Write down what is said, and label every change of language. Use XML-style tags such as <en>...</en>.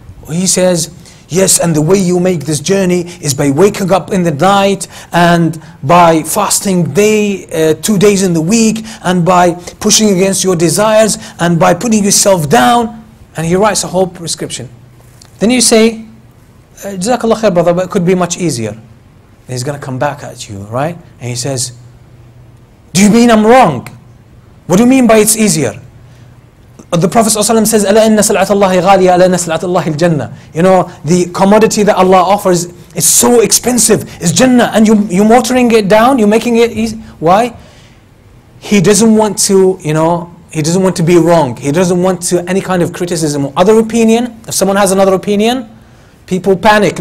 <en>He says, yes, and the way you make this journey is by waking up in the night, and by fasting day, 2 days in the week, and by pushing against your desires, and by putting yourself down, and he writes a whole prescription. Then you say, Jazakallah khair, brother, but it could be much easier. And he's going to come back at you, right? And he says, do you mean I'm wrong? What do you mean by it's easier? The Prophet ﷺ says,</en> <ar>أَلَا إِنَّ سَلْعَةَ اللَّهِ غَالِيَةَ أَلَا إِنَّ سَلْعَةَ اللَّهِ الْجَنَّةِ.</ar> <en>You know, the commodity that Allah offers is so expensive. It's Jannah. And you're watering it down, you're making it easy. Why? He doesn't want to, you know, he doesn't want to be wrong. He doesn't want to any kind of criticism or other opinion. If someone has another opinion, people panic.</en>